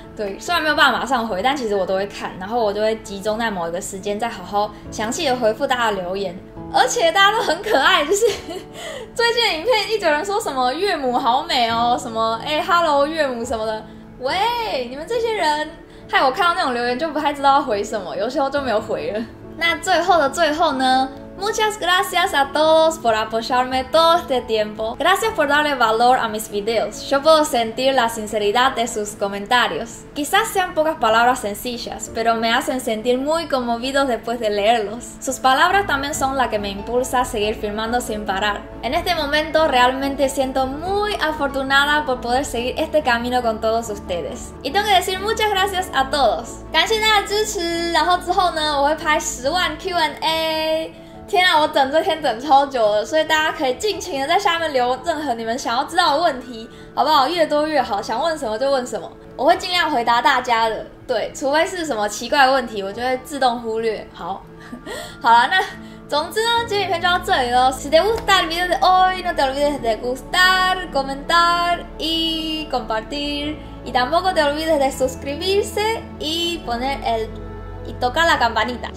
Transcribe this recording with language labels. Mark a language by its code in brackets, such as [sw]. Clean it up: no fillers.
[zh] 对，虽然没有办法马上回，但其实我都会看，然后我就会集中在某一个时间再好好详细的回复大家的留言。而且大家都很可爱，就是最近的影片一堆人说什么岳母好美哦，什么哎 Hello 岳母什么的，喂，你们这些人害我看到那种留言就不太知道要回什么，有时候就没有回了。那最后的最后呢， [es] Muchas gracias a todos por apoyarme todo este tiempo. Gracias por darle valor a mis videos. Yo puedo sentir la sinceridad de sus comentarios. Quizás sean pocas palabras sencillas, pero me hacen sentir muy conmovido después de leerlos. Sus palabras también son las que me impulsan a seguir filmando sin parar. En este momento realmente siento muy afortunada por poder seguir este camino con todos ustedes. Y tengo que decir muchas gracias a todos. [zh] 感谢大家支持，然后之后呢，我会拍10万 Q&A。天啊，我等这天等超久了，所以大家可以尽情的在下面留任何你们想要知道的问题，好不好？越多越好，想问什么就问什么，我会尽量回答大家的。对，除非是什么奇怪的问题，我就会自动忽略。好，好啦，那总之呢，今天影片就到这里了。 [es] Si te gusta el video de hoy, no te olvides de gustar, comentar y compartir, y tampoco te olvides de suscribirse y poner el y tocar la campanita.